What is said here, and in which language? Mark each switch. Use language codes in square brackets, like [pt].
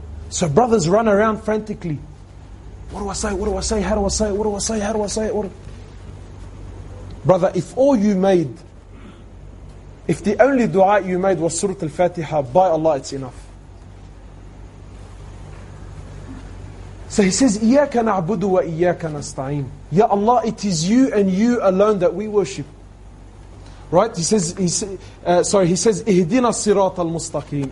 [en] So brothers run around frantically. What do I say? What do I say? How do I say it? What do I say? How do I say it? Brother, if the only du'a you made was Surah Al-Fatiha, by Allah it's enough. [ar] So he says, إِيَّاكَ نَعْبُدُ وَإِيَّاكَ نَسْتَعِينَ. [en] Ya Allah, it is you and you alone that we worship. Right? [ar] He says, إِهْدِنَا الصِّرَاطَ الْمُسْتَقِيمَ.